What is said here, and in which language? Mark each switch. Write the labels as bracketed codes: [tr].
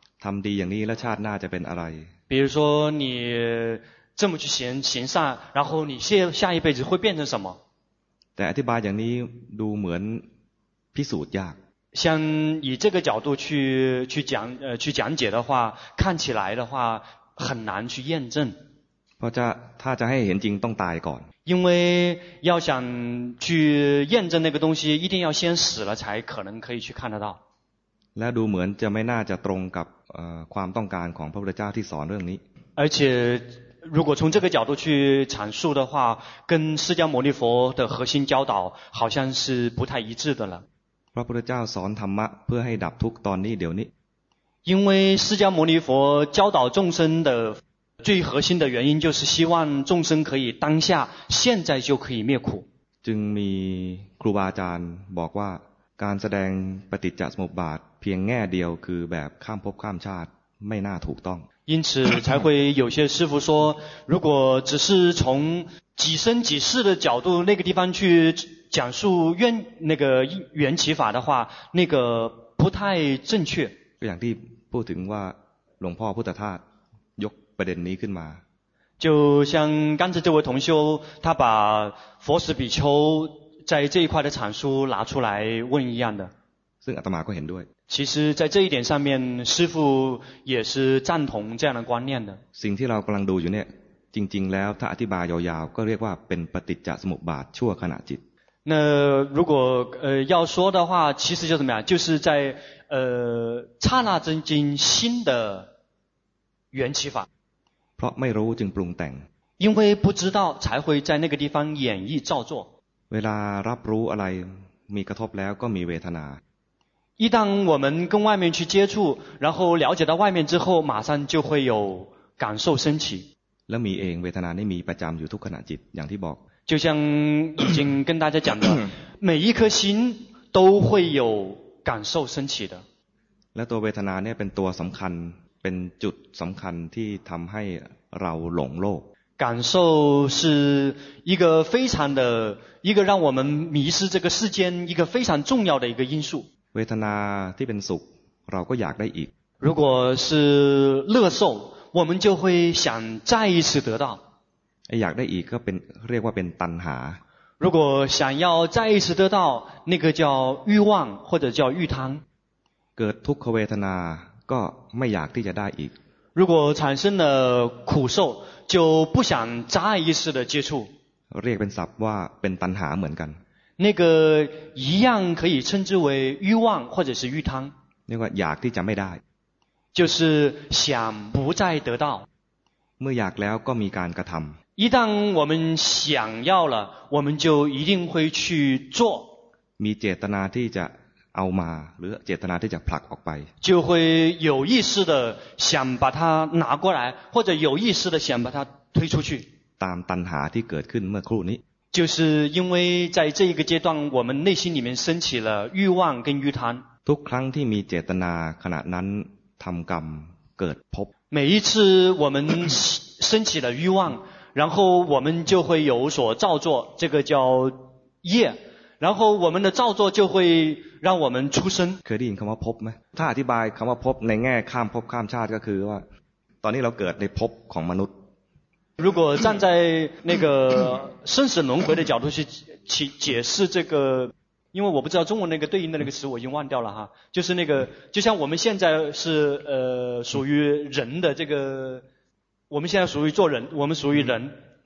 [th] ทำดีอย่างนี้แล้วชาติหน้าจะเป็นอะไร [zh] 比如说你这么去行善然后你下一辈子会变成什么 [th] แต่อธิบายอย่างนี้ดูเหมือนพิสูจน์ยาก [zh] 像以这个角度去讲解的话看起来的话很难去验证 [th] เพราะถ้าจะให้เห็นจริงต้องตายก่อน [zh] 因为要想去验证那个东西一定要先死了才可能可以去看得到 [th] และดูเหมือนจะไม่น่าจะตรงกับความต้องการของพระพุทธเจ้าที่สอนเรื่องนี้ [zh] 而且如果从这个角度去阐述的话跟释迦牟尼佛的核心教导好像是不太一致的了 [th] พระพุทธเจ้าสอนธรรมะเพื่อให้ดับทุกข์ตอนนี้เดี๋ยวนี้ [zh] 因为释迦牟尼佛教导众生的最核心的原因就是希望众生可以当下现在就可以灭苦 [th] จึงมีครูบาอาจารย์บอกว่าการแสดงปฏิจจสมุปบาทเพียงแง่เดียวคือแบบข้ามภพข้ามชาติไม่น่าถูกต้อง [zh] 因此才会有些师父说如果只是从几生几世的角度那个地方去讲述缘那个缘起法的话那个不太正确 [th] ก็อย่างที่พูดถึงว่าหลวงพ่อพุทธทาสยกประเด็นนี้ขึ้นมา [zh] 就像刚才这位同修他把佛时比丘在这一块的阐述拿出来问一样的 [th] ซึ่งอาตมาก็เห็นด้วย [zh] 其实在这一点上面师父也是赞同这样的观念的 [th] สิ่งที่เรากำลังดูอยู่เนี่ยจริงๆแล้วถ้าอธิบายยาวๆก็เรียกว่าเป็นปฏิจจสมุปบาทชั่วขณะจิต [zh] 那如果要说的话其实就怎么样就是在刹那真经新的缘起法 [th] เพราะไม่รู้จึงปรุงแต่ง [zh] 因为不知道才会在那个地方演绎造作 [th] เวลารับรู้อะไรมีกระทบแล้วก็มีเวทนา [zh] 一旦我们跟外面去接触然后了解到外面之后马上就会有感受升起 [th] แล้วมีเองเวทนานี่มีประจำอยู่ทุกขณะจิตอย่างที่บอก [zh] 就像已经跟大家讲的每一颗心都会有感受升起的 [th] และตัวเวทนาเนี่ยเป็นตัวสำคัญเป็นจุดสำคัญที่ทำให้เราหลงโลก [zh] 感受是一个非常的一个让我们迷失这个世间一个非常重要的一个因素 [th] เวทนาที่เป็นสุขเราก็อยากได้อีก [zh] 如果是乐受我们就会想再一次得到 [th] อยากได้อีกก็เป็นเรียกว่าเป็นตัณหา [zh] 如果想要再一次得到那个叫欲望或者叫欲贪 [th] เกิดทุกขเวทนาก็ไม่อยากที่จะได้อีก [zh] 如果产生了苦受就不想再一次的接触 [th] เรียกเป็นศัพท์ว่าเป็นตัณหาเหมือนกัน [zh] 那个一样可以称之为欲望或者是欲贪 [th] เรียกว่าอยากที่จะไม่ได้ [zh] 就是想不再得到 [th] เมื่ออยากแล้วก็มีการกระทำ [zh] 一旦我们想要了我们就一定会去做 [th] มีเจตนาที่จะเอามาหรือเจตนาที่จะผลักออกไป [zh] 就会有意识的想把它拿过来或者有意识的想把它推出去 [th] ตามตัณหาที่เกิดขึ้นเมื่อครู่นี้ [zh] 就是因为在这一个阶段我们内心里面升起了欲望跟欲贪 [th] ทุกครั้งที่มีเจตนาขณะนั้นทำกรรมเกิดภพ [zh] 每一次我们升起了欲望然后我们就会有所造作这个叫业然后我们的造作就会让我们出生 [th] เคยได้ยินคำว่าภพไหมถ้าอธิบายคำว่าภพในแง่ข้ามภพข้ามชาติก็คือว่าตอนนี้เราเกิดในภพของมนุษย์ [zh] 如果站在那个生死轮回的角度去解释这个因为我不知道中文那个对应的那个词我已经忘掉了哈就是那个就像我们现在是属于人的这个我们现在属于做人我们属于人